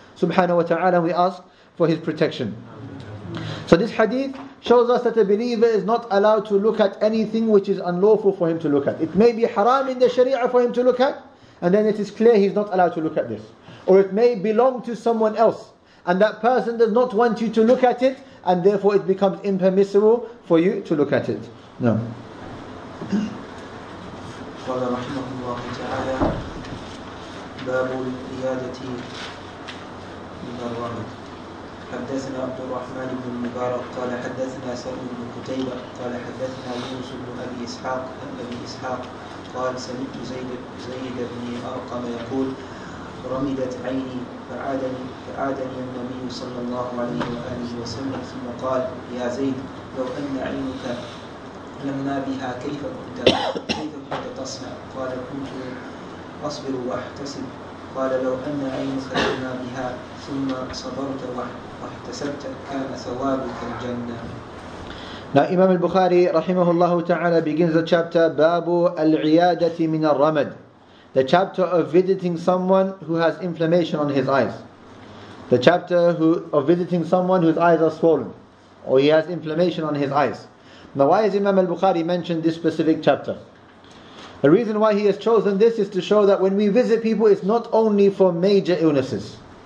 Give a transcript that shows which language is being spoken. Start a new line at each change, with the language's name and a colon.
English: Subhanahu wa ta'ala, we ask for His protection. So this hadith shows us that a believer is not allowed to look at anything which is unlawful for him to look at. It may be haram in the Sharia for him to look at, and then it is clear he's not allowed to look at this. Or it may belong to someone else, and that person does not want you to look at it, and therefore it becomes impermissible for you to look at it. No.
Arabic: قال رحمه الله تعالى باب العيادة من الرمد. حدثنا عبد الرحمن بن مبارك قال حدثنا سعد بن قتيبة قال حدثنا يونس بن أبي إسحاق عن أبي إسحاق قال سمعت زيد بن أرقم يقول رمدت عيني فعادني النبي صلى الله عليه وآله وسلم ثم قال يا زيد لو أن عينك لما بها كيف كنت تصنع؟ قال كنت أصبر وأحتسب. قال لو أن عينك لما بها ثم صبرت واحتسبت كان ثوابك الجنة.
English: Now Imam al-Bukhari رحمه الله تعالى begins the chapter
Arabic: باب العيادة من الرمد.
English: The chapter of visiting someone who has inflammation on his eyes. The chapter of visiting someone whose eyes are swollen. Or he has inflammation on his eyes. Now why is Imam al-Bukhari mentioned this specific chapter? The reason why he has chosen this is to show that when we visit people, it's not only for major illnesses.